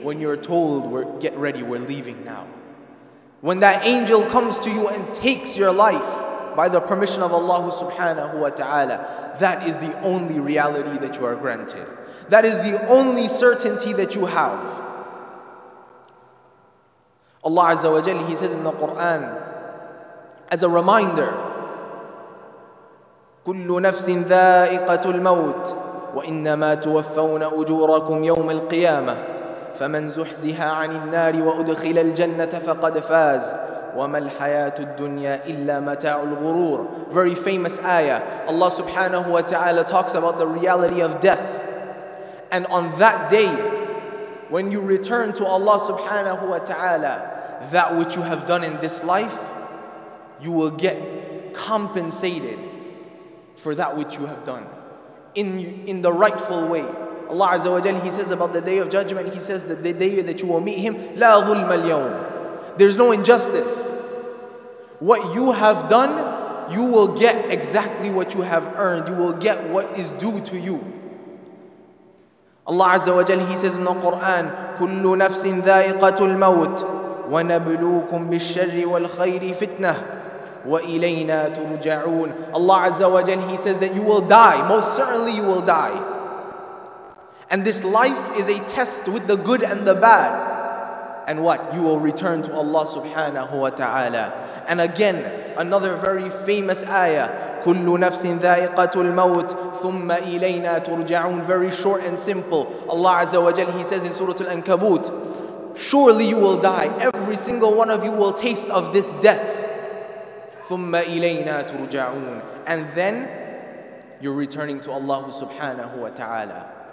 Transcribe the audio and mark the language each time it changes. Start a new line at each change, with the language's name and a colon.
English: when you're told, get ready, we're leaving now. When that angel comes to you and takes your life by the permission of Allah subhanahu wa ta'ala, that is the only reality that you are granted. That is the only certainty that you have.
Arabic: Allah Azza wa Jalla,
English: He says in the Quran, as a reminder,
Arabic: كل نفس ذائقة الموت وإنما توفون أجوركم يوم القيامة فمن زحزها عن النار وأدخل الجنة فقد فاز وما الحياة الدنيا إلا متاع الغرور.
English: Very famous ayah. Allah subhanahu wa ta'ala talks about the reality of death. And on that day, when you return to Allah subhanahu wa ta'ala, that which you have done in this life, you will get compensated for that which you have done in the rightful way. Allah Azza wa Jalla, He says about the Day of Judgment, He says that the day that you will meet Him,
Arabic: لا ظلم اليوم.
English: There's no injustice. What you have done, you will get exactly what you have earned. You will get what is due to you.
Arabic: Allah Azza wa Jalla,
English: He says in the Quran,
Arabic: كل نفس ذائقة الموت ونبلوكم بالشر والخير فتنة وإلينا ترجعون.
English: Allah Azza wa Jalla, He says that you will die. Most certainly you will die. And this life is a test with the good and the bad. And what? You will return to Allah subhanahu wa ta'ala. And again, another very famous ayah.
Arabic: كل نفس ذائقة الموت ثم إلينا ترجعون.
English: Very short and simple. Allah Azza wa Jalla, He says in Surah Al-Ankabut, surely you will die. Every single one of you will taste of this death.
Arabic: ثم إلينا ترجعون.
English: And then you're returning to Allah subhanahu wa ta'ala.